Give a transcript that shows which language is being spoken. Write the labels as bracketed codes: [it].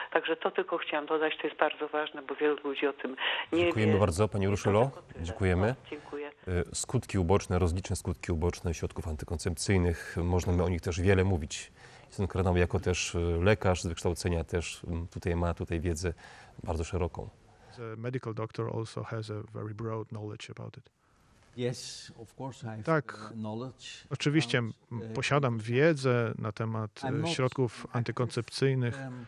[pl] Także to tylko chciałam dodać, to jest bardzo ważne, bo wielu ludzi o tym nie wie. Dziękujemy bardzo, pani Urszulo. Dziękujemy. No, dziękuję. Skutki uboczne, rozliczne skutki uboczne środków antykoncepcyjnych, można o nich też wiele mówić. Ten kardynał jako też lekarz z wykształcenia też tutaj ma tutaj wiedzę bardzo szeroką. [en] The medical doctor also has a very broad knowledge about it. Yes, of course I have [pl] tak, oczywiście posiadam wiedzę na temat środków antykoncepcyjnych.